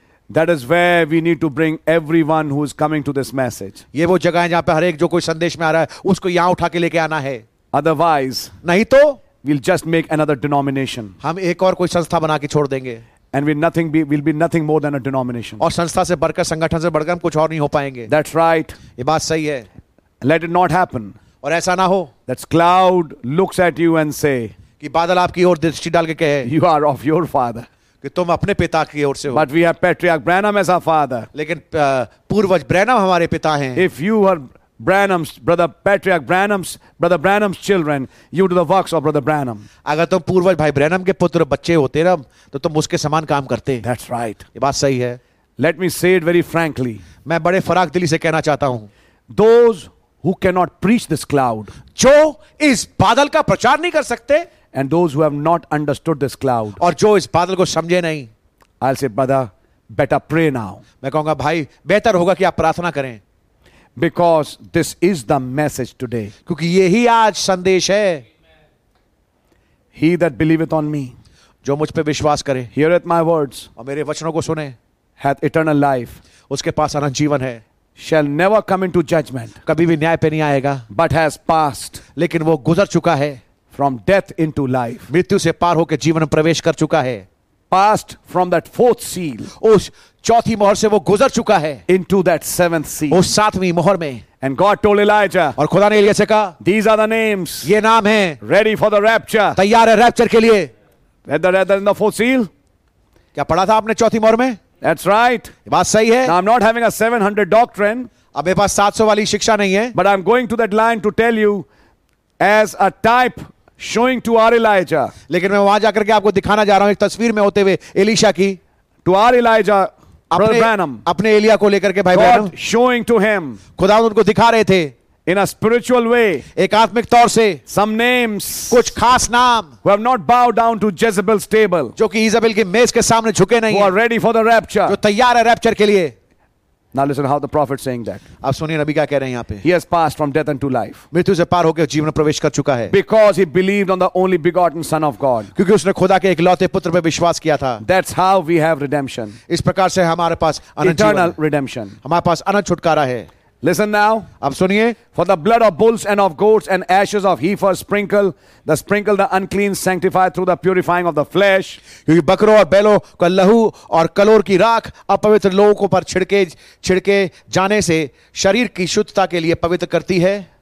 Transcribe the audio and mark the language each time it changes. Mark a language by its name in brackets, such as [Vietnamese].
[English] That is where we need to bring everyone who is coming to this message. [Hindi] ये वो जगह है जहाँ पे हर एक जो कोई संदेश में आ रहा है उसको यहाँ उठा के लेके आना है. [English] Otherwise. [Hindi] नहीं तो. [English] We'll just make another denomination. [Hindi] हम एक और कोई संस्था बना के छोड़ देंगे. [English] And we'll be nothing more than a denomination. [Hindi] और संस्था से बढ़कर संगठन से बढ़कर हम कुछ और नहीं हो पाएंगे. [English] That's right. [Hindi] ये बात सही है. [English] Let it not happen. [Hindi] और ऐसा ना हो. [English] That cloud looks at you and say. [Hindi] कि बादल आपकी ओर दृष्टि डाल के कहे. [English] You are of your father. [Hindi] कि तुम अपने पिता की ओर से हो. [English] But we have patriarch Branham as our father. [Hindi] लेकिन पूर्वज ब्रैनम हमारे पिता हैं. [English] If you are Branham's brother, patriarch Branham's brother Branham's children, you do the works of brother Branham. [Hindi] अगर तुम पूर्वज भाई ब्रैनम के पुत्र बच्चे होते ना तो तुम उसके समान काम करते. [English] That's right. [Hindi] ये बात सही है. [English] Let me say it very frankly. [Hindi] मैं बड़े फराक दिली से कहना चाहता हूँ. [English] Those who cannot preach this cloud. [Hindi] जो इस बादल का प्रचार नहीं कर सकते. [English] And those who have not understood this cloud. [Hindi] और जो इस बादल को समझे नहीं. [English] I'll say, brother, better pray now. [Hindi] मैं कहूँगा भाई बेहतर होगा कि आप प्रार्थना करें. [English] Because this is the message today. [Hindi] क्योंकि यही आज संदेश है. [English] He that believeth on me. [Hindi] जो मुझ पे विश्वास करे. [English] Heareth my words. [Hindi] और मेरे वचनों को सुने. [English] Hath eternal life. [Hindi] उसके पास अनंत जीवन है. [English] Shall never come into judgment. [Hindi] कभी भी न्याय पे नहीं आएगा. [English] But has passed. [Hindi] लेकिन वो गुजर चुका है. [English] From death into life. [Hindi] मृत्यु से पार होकर जीवन में प्रवेश कर चुका है. [English] Passed from that fourth seal. [Hindi] उस चौथी मोहर से वो गुजर चुका है. [English] Into that seventh seal. [Hindi] उस सातवीं मोहर में. [English] And God told Elijah. [Hindi] और खुदा ने एलिय्याह से कहा. [English] These are the names. [Hindi] ये नाम हैं. [English] Ready for the rapture. [Hindi] तैयार है रैप्चर के लिए. [English] Rather than the fourth seal. [Hindi] क्या पढ़ा था आपने चौथी मोहर में? [English] That's right. [Hindi] बात सही है. [English] Now I'm not having a 700 doctrine. [Hindi] अब मेरे पास 700 वाली शिक्षा नहीं है. [English] But I'm going to that line to tell you as a type. Showing to our Elijah. [Hindi] लेकिन मैं वहां जाकर के आपको दिखाना जा रहा हूं एक तस्वीर में होते हुए एलिशा की. [English] To our Elijah, brother Branham. [Hindi] अपने एलिया को लेकर के भाई [English] God Branham. Showing to him. [Hindi] खुदा उनको दिखा रहे थे. [English] In a spiritual way. [Hindi] एक आत्मिक तौर से. [English] Some names. [Hindi] कुछ खास नाम. [English] Who have not bowed down to Jezebel's table. [Hindi] जो कि Jezebel के मेज के सामने झुके नहीं. [English] Who are ready for the rapture. [Hindi] जो तैयार है रैप्चर के लिए. [English] Now listen how the prophet saying that. [Hindi] आप सुनिए नबी क्या कह रहे हैं यहाँ पे. [English] He has passed from death unto life. [Hindi] मृत्यु से पार होकर जीवन प्रवेश कर चुका है. [English] Because he believed on the only begotten Son of God. [Hindi] क्योंकि उसने खुदा के एकलौते पुत्र पे विश्वास किया था. [English] That's how we have redemption. [Hindi] इस प्रकार से हमारे पास [English] eternal redemption. [Hindi] हमारे पास अनंत छुटकारा है. [English] Listen now. [Hindi] अब सुनिए. [English] For the blood of bulls and of goats and ashes of heifers sprinkle the unclean sanctified through the purifying of the flesh. [Hindi] क्योंकि बकरों और बैलों का लहू और कलोर की राख अपवित्र लोगों को पर छिड़के जाने से शरीर की शुद्धता के लिए पवित्र करती है.